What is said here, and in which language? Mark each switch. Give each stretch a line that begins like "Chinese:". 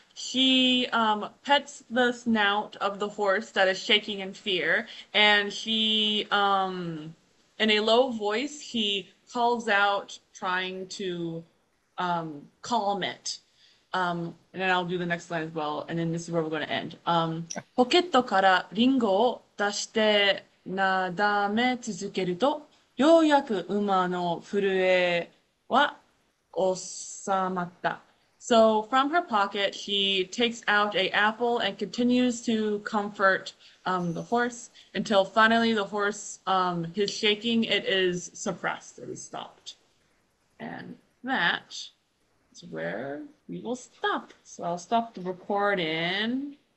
English: She pets the snout of the horse that is shaking in fear, and she in a low voice, he calls out, trying to calm it. And then I'll do the next line as well, and then this is where we're going to end.
Japanese: ポケットからリンゴを出してなだめ続けると、ようやく馬の震えは収まった。
English: So from her pocket, she takes out an apple and continues to comfort the horse until finally the horse, his shaking, it is suppressed, it is stopped. And that is where we will stop. So I'll stop the recording.